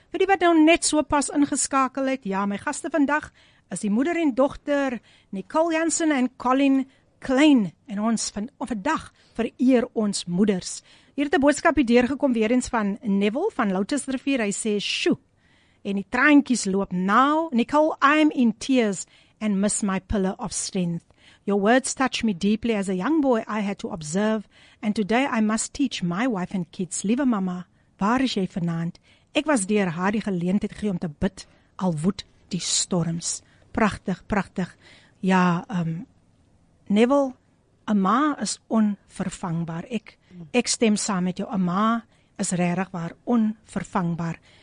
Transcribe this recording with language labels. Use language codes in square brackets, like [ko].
[af] Vir die wat nou net so pas ingeskakel het, ja, my gaste vandag is die moeder en dogter Nicole Jansen en Colin Klein en ons vandag vereer ons moeders. Hier het 'n boodskap hier deurgekom weer eens van Neville van Lotus Rivier, hy sê, "Sjoe." En die traantjies loop nou. [en] Nicole, I'm in tears and miss my pillar of strength. Your words touch me deeply. As a young boy, I had to observe. And today I must teach my wife and kids. [af] Liewe mama, waar is jy vanaand? Ek was deur haar die geleentheid gegee om te bid, al woed die storms. Prachtig, prachtig. Ja, Neville, 'n ma is onvervangbaar. Ek stem saam met jou. 'N ma is regtig waar onvervangbaar.